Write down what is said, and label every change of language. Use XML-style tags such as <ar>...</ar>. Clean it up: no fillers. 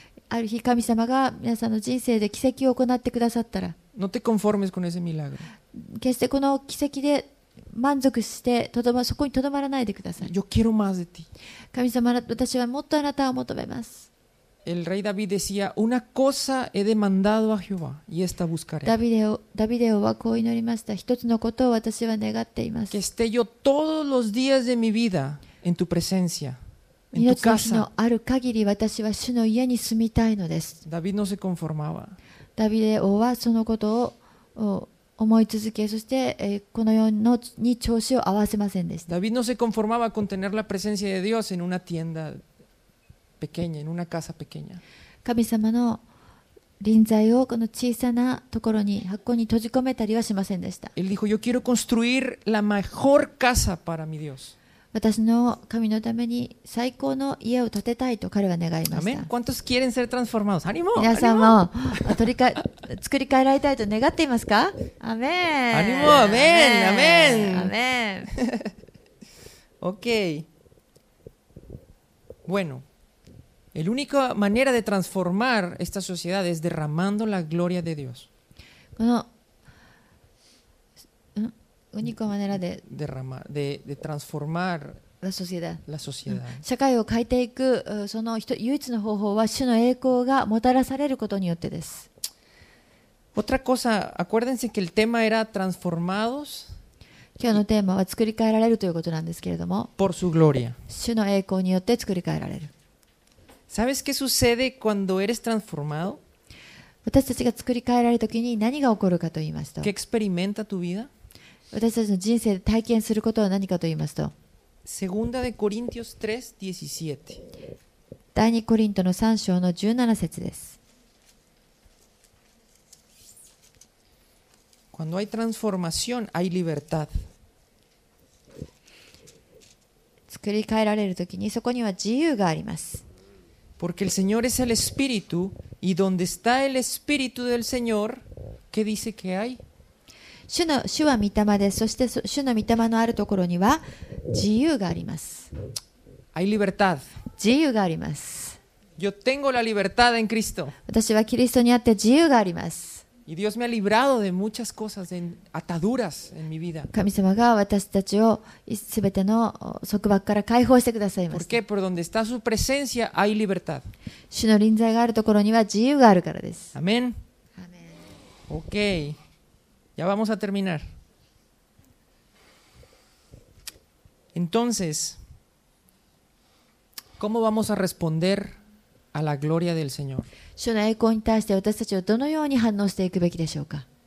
<ja>ある日神様が皆さんの人生で奇跡を行ってくださったら、決してこの奇跡で満足してそこにとどまらないでください。神様、私はもっとあなたを求めます。</ja> <es>El rey David decía: Una cosa he demandado a Jehová, y esta buscaré.</es> <ja>ダビデオはこう祈りました。一つのことを私は願っています。</ja> <es>Que esté yo todos los días de mi vida en tu presencia, en tu casa.</es> <ja>命の日のある限り私は主の家に住みたいのです。</ja> <es>David no se conformaba.</es> <ja>ダビデオはそのことを思い続け、そしてこの世のに調子を合わせませんでした。</ja> <es>David no se conformaba con tener la presencia de Dios en una tienda.</es> <ja>神様の臨在をこの小さなところに箱に閉じ込めたりはしませんでした。</ja> <es>Él dijo: Yo quiero construir la mejor casa para mi Dios.</es> <ja>私の神のために最高の家を建てたいと彼は願いました。</ja> <es>Amén. ¿Cuántos quieren ser transformados? ¡Ánimo!</es> <ja>皆さんも作り変えられたいと願っていますか？アメン。</ja> <es>ánimo. Amén. Amén. Amén. Okay. Bueno. La única manera de transformar esta sociedad es derramando la gloria de Dios.</es> <ja>この</ja> <es>única manera de derramar, de transformar la sociedad. La sociedad.</es> <ja>社会を変えていく、その唯一の方法は主の栄光がもたらされることによってです。</ja> <es>Otra cosa, acuérdense que el tema era transformados.</es> <ja>今日のテーマは作り変えられるということなんですけれども。</ja> <es>Por su gloria.</es> <ja>主の栄光によって作り変えられる。</ja> <es>¿Sabes qué sucede cuando eres transformado?</es> <ja>私たちが作り変えられるときに何が起こるかと言いますと。</ja> <es>¿Qué experimenta tu vida?</es> <ja>私たちの人生で体験することは何かと言いますと。</ja> <es>Segunda de Corintios 3:17.</es> <ja>第二コリントの三章の17節です。</ja> <es>Cuando hay transformación, hay libertad.</es> <ja>作り変えられるときにそこには自由があります。</ja> <es>Porque el Señor es el Espíritu, y donde está el Espíritu del Señor, ¿qué dice que hay?</es> <ja>主は御霊です。そして主の御霊のあるところには自由があります。</ja> <es>Hay libertad.</es> <ja>自由があります。</ja> <es>Yo tengo la libertad en Cristo.</es> <ja>私はキリストにあって自由があります。</ja> <es>Y Dios me ha librado de muchas cosas, de ataduras en mi vida.</es> <ja>神様が私たちをすべての束縛から解放してくださいます。</ja> <es>¿Por qué? Por donde está su presencia hay libertad.</es> <ja>主の臨在があるところには自由があるからです。</ja> <es>Amén. Amén. Okay. Ya vamos a terminar. Entonces, ¿cómo vamos a responder a la gloria del Señor?</es> <ja>主の栄光に対して私たちはどのように反応していくべきでしょうか。</ja>